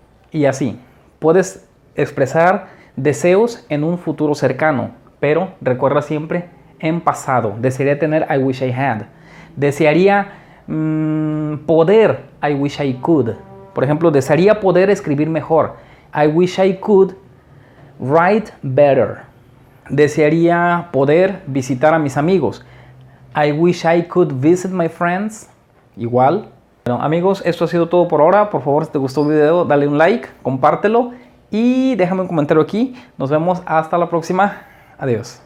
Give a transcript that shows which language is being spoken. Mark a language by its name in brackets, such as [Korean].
[Spanish] Y así. Puedes expresar deseos en un futuro cercano. pero recuerda siempre en pasado. Desearía tener, [English] I wish I had. [Spanish] Desearía poder, [English] I wish I could. [Spanish] Por ejemplo, desearía poder escribir mejor. [English] I wish I could write better. [Spanish] Desearía poder visitar a mis amigos. [English] I wish I could visit my friends. [Spanish] Igual. Bueno, amigos, esto ha sido todo por ahora. Por favor, si te gustó el video, dale un like, compártelo y déjame un comentario aquí. Nos vemos hasta la próxima. Adiós.